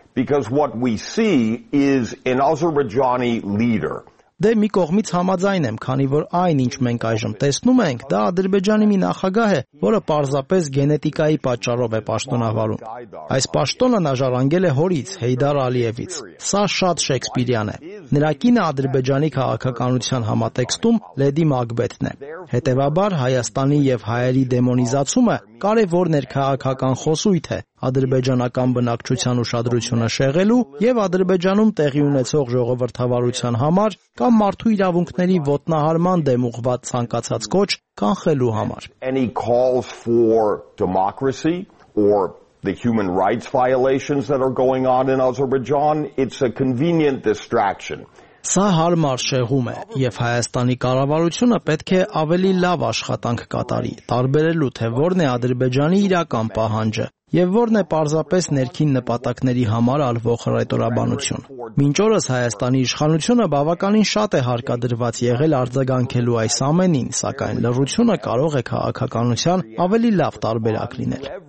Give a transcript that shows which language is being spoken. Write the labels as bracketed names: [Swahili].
[English] Because what we see is an Azerbaijani leader. [Armenian] Դե մի կողմից համաձայն եմ, քանի որ այն, ինչ մենք այժմ տեսնում ենք, դա Ադրբեջանի մի նախագահ է, որը պարզապես գենետիկայի պատճառով է պաշտոնավարում։ Այս պաշտոնը նա ժառանգել է հորից, Հեյդար Ալիևից։ Սա շատ շեքսպիրյան է։ Նրա կինը Ադրբեջանի քաղաքականության համատեքստում Լեդի Մակբեթն է։ Հետևաբար Հայաստանի եւ հայերի դեմոնիզացումը կարևոր ներքաղաքական խոսույթ է։ Ադրբեջանական բնակչության ուշադրությունը շեղելու եւ Ադրբեջանում տեղի ունեցող ժողովրդավարության համար կամ մարդու իրավունքների ոտնահարման դեմ ուղված ցանկացած կոչ կանխելու համար. [English] Any calls for democracy or the human rights violations that are going on in Azerbaijan, it's a convenient distraction. [Armenian] Սա հարմար շեղում է, եւ Հայաստանի կառավարությունը պետք է ավելի լավ աշխատանք կատարի՝ տարբերելու թե որն է Ադրբեջանի իրական պահանջը եւ որն է պարզապես ներքին նպատակների համար ալվող ռետորաբանություն։ Մինչ օրս Հայաստանի իշխանությունը բավականին շատ է հարկադրված եղել արձագանքելու այս ամենին, սակայն լրությունը կարող է քաղաքականության ավելի լավ տարբերակ լինել։